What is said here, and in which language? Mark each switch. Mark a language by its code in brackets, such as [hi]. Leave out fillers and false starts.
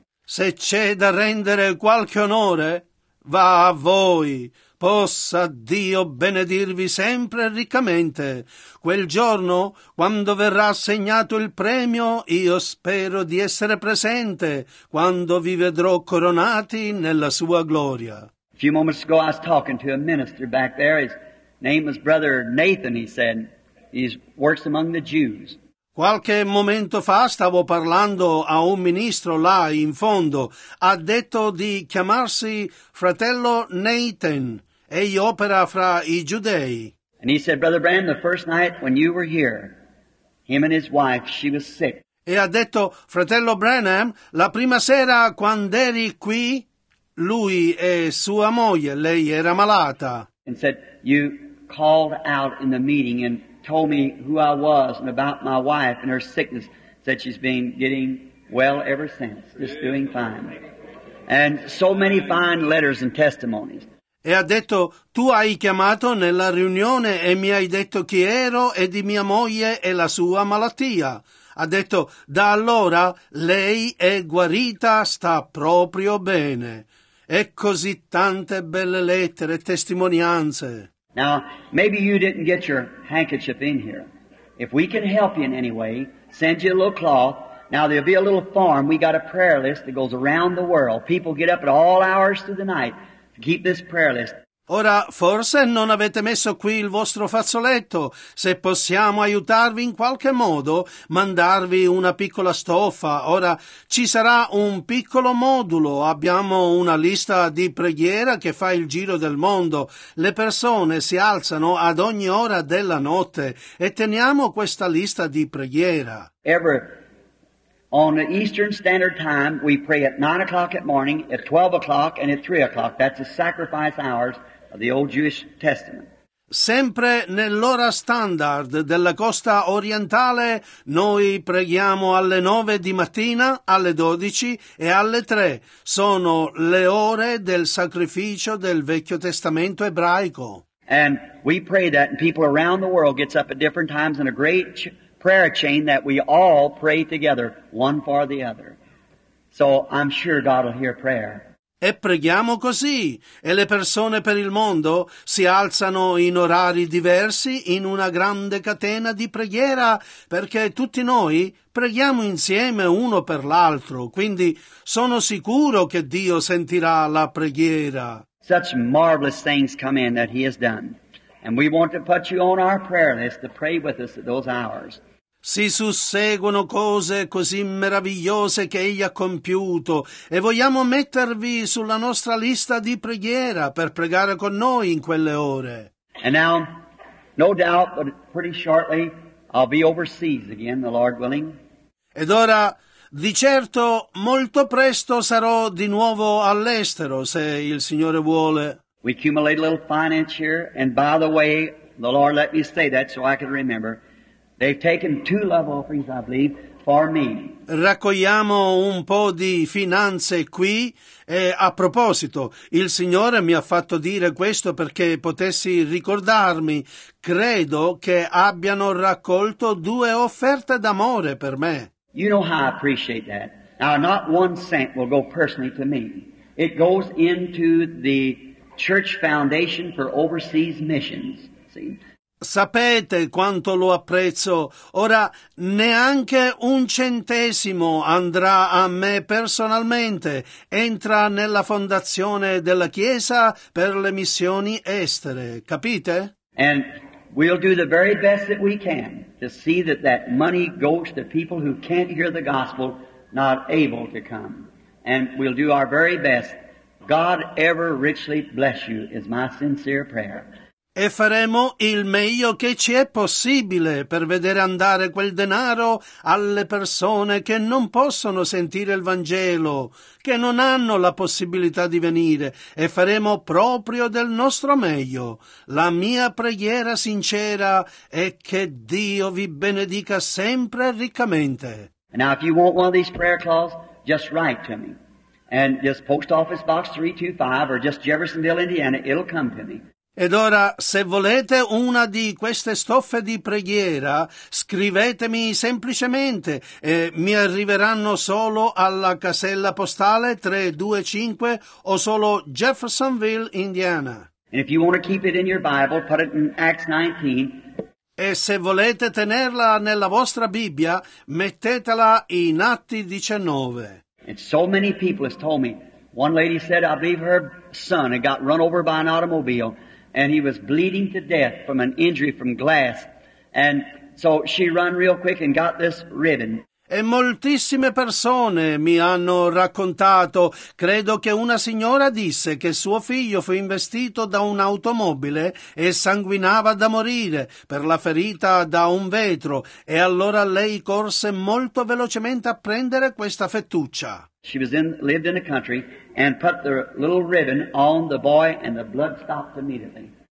[it] Se c'è da rendere qualche onore, va a voi. Possa Dio benedirvi sempre riccamente. Quel giorno, quando verrà assegnato il premio, io spero di essere presente, quando vi vedrò coronati nella sua gloria. [en] A few moments ago I was talking to a minister back there. His name was Brother Nathan, he said. He works among the Jews. [it] Qualche momento fa stavo parlando a un ministro là in fondo. Ha detto di chiamarsi fratello Nathan. Egli opera fra i giudei. [en] And he said, Brother Branham, the first night when you were here, him and his wife, she was sick. [it] E ha detto, fratello Branham, la prima sera quando eri qui, lui e sua moglie, lei era malata. [en] And said, you called out in the meeting and told me who I was and about my wife and her sickness. Said she's been getting well ever since, just doing fine. And so many fine letters and testimonies. [it] E ha detto, tu hai chiamato nella riunione e mi hai detto chi ero e di mia moglie e la sua malattia. Ha detto, da allora lei è guarita, sta proprio bene. E così tante belle lettere, testimonianze. [en] Now, maybe you didn't get your handkerchief in here. If we can help you in any way, send you a little cloth. Now, there'll be a little form. We got a prayer list that goes around the world. People get up at all hours through the night. Keep this prayer list. [it] Ora, forse non avete messo qui il vostro fazzoletto. Se possiamo aiutarvi in qualche modo, mandarvi una piccola stoffa. Ora, ci sarà un piccolo modulo. Abbiamo una lista di preghiera che fa il giro del mondo. Le persone si alzano ad ogni ora della notte e teniamo questa lista di preghiera. [en] Ever. On the Eastern Standard Time, we pray at 9 o'clock at morning, at 12 o'clock, and at 3 o'clock. That's the sacrifice hours of the Old Jewish Testament. [it] Sempre nell'ora standard della costa orientale, noi preghiamo alle 9 di mattina, alle 12 e alle 3. Sono le ore del sacrificio del Vecchio Testamento ebraico. [en] And we pray that, and people around the world gets up at different times in a great prayer chain that we all pray together, one for the other. So I'm sure God will hear prayer. [it] E preghiamo così, e le persone per il mondo si alzano in orari diversi in una grande catena di preghiera, perché tutti noi preghiamo insieme uno per l'altro, quindi sono sicuro che Dio sentirà la preghiera. [en] Such marvelous things come in that He has done. And we want to put you on our prayer list to pray with us at those hours. [it] Si susseguono cose così meravigliose che egli ha compiuto e vogliamo mettervi sulla nostra lista di preghiera per pregare con noi in quelle ore. [en] And now, no doubt, but pretty shortly, I'll be overseas again, the Lord willing. [it] Ed ora, di certo, molto presto sarò di nuovo all'estero, se il Signore vuole. [en] We accumulate a little finance here, and by the way, the Lord let me say that so I could remember. They've taken two love offerings, I believe, for me. [it] Raccogliamo un po' di finanze qui, e a proposito, il Signore mi ha fatto dire questo perché potessi ricordarmi. Credo che abbiano raccolto due offerte d'amore per me. [en] You know how I appreciate that. Now, not one cent will go personally to me. It goes into the Church Foundation for Overseas Missions. See? [it] Sapete quanto lo apprezzo. Ora neanche un centesimo andrà a me personalmente. Entra nella fondazione della Chiesa per le missioni estere. Capite? [en] And we'll do the very best that we can to see that that money goes to people who can't hear the gospel, not able to come. And we'll do our very best. God ever richly bless you is my sincere prayer. [it] E faremo il meglio che ci è possibile per vedere andare quel denaro alle persone che non possono sentire il Vangelo, che non hanno la possibilità di venire, e faremo proprio del nostro meglio. La mia preghiera sincera è che Dio vi benedica sempre riccamente. [en] Now if you want one of these prayer calls, just write to me. And just Post Office Box 325 or just Jeffersonville, Indiana, it'll come to me. [it] Ed ora, se volete una di queste stoffe di preghiera, scrivetemi semplicemente e mi arriveranno solo alla casella postale 325 o solo Jeffersonville, Indiana. [en] And if you want to keep it in your Bible, put it in Acts 19. [it] E se volete tenerla nella vostra Bibbia, mettetela in Atti 19. [en] And so many people have told me. One lady said, I believe her son had got run over by an automobile. And he was bleeding to death from an injury from glass. And so she ran real quick and got this ribbon. [it] E moltissime persone mi hanno raccontato, credo che una signora disse che suo figlio fu investito da un'automobile e sanguinava da morire per la ferita da un vetro. E allora lei corse molto velocemente a prendere questa fettuccia. [en] She was in, lived in a country. And put the little ribbon on the boy, and the blood stopped immediately.